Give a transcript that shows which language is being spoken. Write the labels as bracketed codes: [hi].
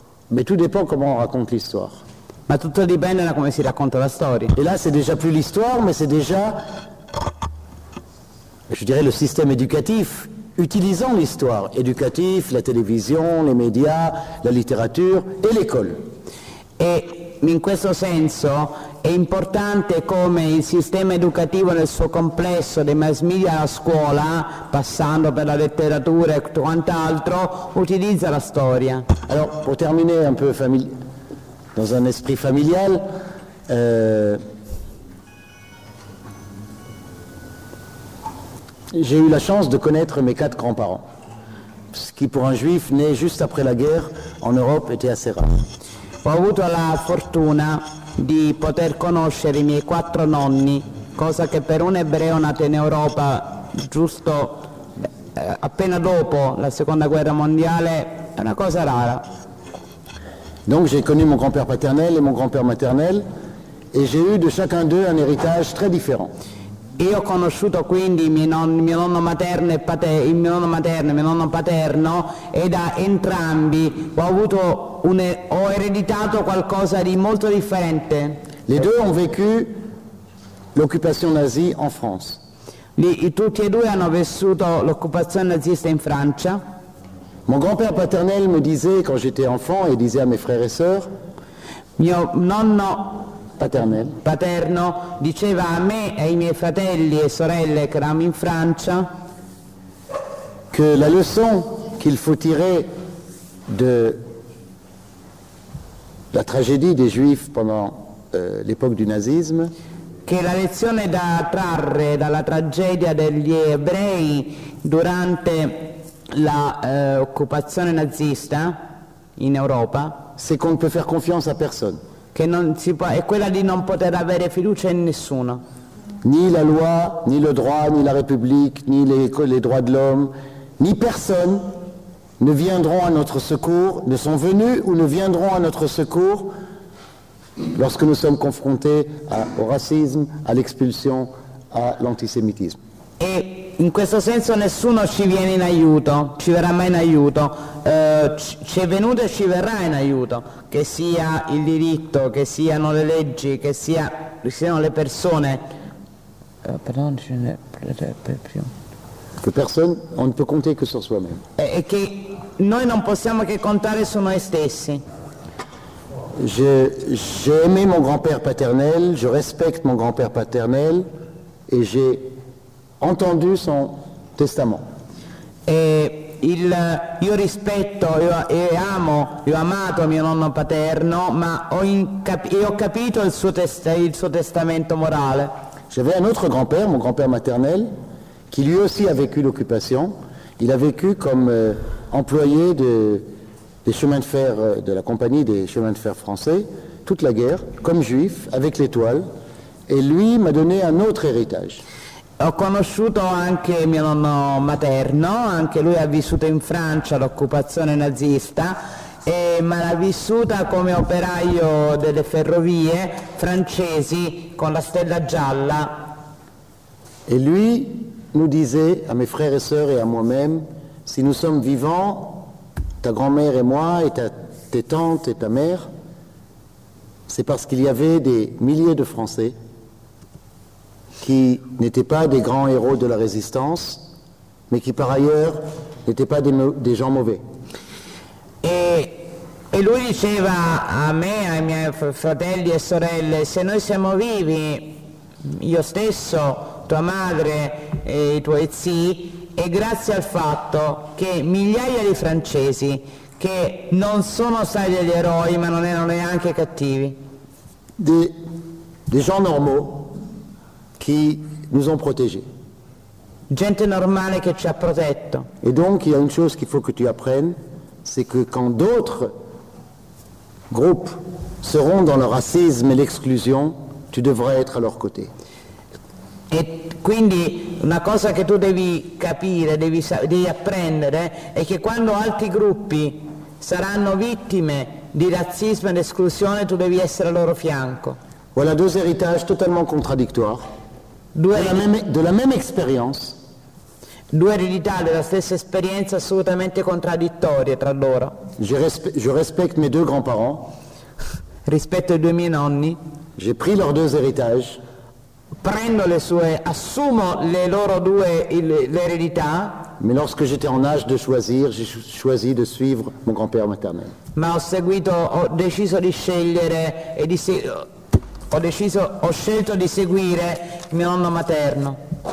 [fr] Mais tout dépend comment on raconte l'histoire. [it] Ma tutto dipende da come si racconta la storia. [fr] E là [it] c'è [fr] déjà plus l'histoire, mais c'est déjà, je dirais, le système éducatif utilisant l'histoire éducatif, la télévisione, les médias, la littérature et l'école. [it] E in questo senso è importante come il sistema educativo nel suo complesso dei mass media a scuola, passando per la letteratura e quant'altro, utilizza la storia. [fr] Alors, pour terminer un peu dans un esprit familial, j'ai eu la chance de connaître mes quatre grands-parents, ce qui pour un juif né juste après la guerre en Europe était assez rare. [it] Ho avuto la fortuna di poter conoscere i miei quattro nonni, cosa che per un ebreo nato in Europa giusto appena dopo la Seconda Guerra Mondiale è una cosa rara. [fr] Donc j'ai connu mon grand-père paternel et mon grand-père maternel et j'ai eu de chacun d'eux un héritage très différent. [it] Io ho conosciuto quindi mio nonno materno e mio nonno paterno e da entrambi ho ereditato qualcosa di molto differente. [fr] Les deux ont vécu l'occupation nazie en France. [it] Tutti e due hanno vissuto l'occupazione nazista in Francia. [fr] Mon grand-père paternel me disait quand j'étais enfant et disait à mes frères et sœurs. [it] Mio nonno paterno diceva a me e ai miei fratelli e sorelle che eravamo in Francia che [fr] la leçon qu'il faut tirer de la tragédie des juifs pendant l'époque du nazisme. [it] Che la lezione da trarre dalla tragedia degli ebrei durante la occupazione nazista in Europa, [fr] c'est qu'on ne peut faire confiance à personne. [it] Che non si può, è quella di non poter avere fiducia in nessuno. [fr] Ni la loi, ni le droit, ni la République, ni les droits de l'homme, ni personne ne viendront à notre secours, ne sont venus ou ne viendront à notre secours lorsque nous sommes confrontés au racisme, à l'expulsion, à l'antisémitisme. [it] Et in questo senso nessuno ci viene in aiuto, ci verrà mai in aiuto, ci è venuto e ci verrà in aiuto, che sia il diritto, che siano le leggi, che siano le persone. [fr] Pardon, je ne l'ai [it] più. [fr] Que personne, on ne peut compter que sur soi-même. Et que [it] noi non possiamo che contare su noi stessi. [fr] J'ai aimé mon grand-père paternel, je respecte mon grand-père paternel et j'ai entendu son testament. [it] Io rispetto io amato mio nonno paterno, ma ho capito il suo testamento morale. [fr] J'avais un autre grand-père, mon grand-père maternel, qui lui aussi a vécu l'occupation. Il a vécu comme employé des chemins de fer, de la compagnie des chemins de fer français, toute la guerre, comme juif, avec l'étoile. Et lui m'a donné un autre héritage. [it] Ho conosciuto anche mio nonno materno, anche lui ha vissuto in Francia l'occupazione nazista, ma l'ha vissuta come operaio delle ferrovie francesi con la stella gialla. [fr] E lui nous disait à mes frères et sœurs et à moi-même, si nous sommes vivants, ta grand-mère et moi, et tes tantes et ta mère, c'est parce qu'il y avait des milliers de Français qui n'étaient pas des grands héros de la résistance, mais qui par ailleurs n'étaient pas des gens mauvais. [it] E lui diceva a me, ai miei fratelli e sorelle, se noi siamo vivi, io stesso, tua madre e i tuoi zii, è grazie al fatto che migliaia di francesi che non sono stati degli eroi ma non erano neanche cattivi. [fr] Des gens normaux qui nous ont protégés. [it] Gente normale che ci ha protetto. [fr] Et donc il y a une chose qu'il faut que tu apprennes, c'est que quand d'autres groupes seront dans le racisme et l'exclusion, tu devrais être à leur côté. [it] E quindi una cosa che tu devi capire, devi apprendere, è che quando altri gruppi saranno vittime di razzismo ed esclusione, tu devi essere al loro fianco. [fr] Voilà deux héritages totalement contradictoires. De la même expérience. [it] Due eredità della stessa esperienza assolutamente contraddittorie tra loro. [fr] Je respecte mes deux grands-parents. [it] Rispetto i due miei nonni. [fr] J'ai pris leurs deux héritages. [it] Prendo le sue, assumo le loro due l'eredità. [fr] Mais lorsque j'étais en âge de choisir, j'ai choisi de suivre mon grand-père maternel. [it] Ma ho deciso di seguire mio nonno materno.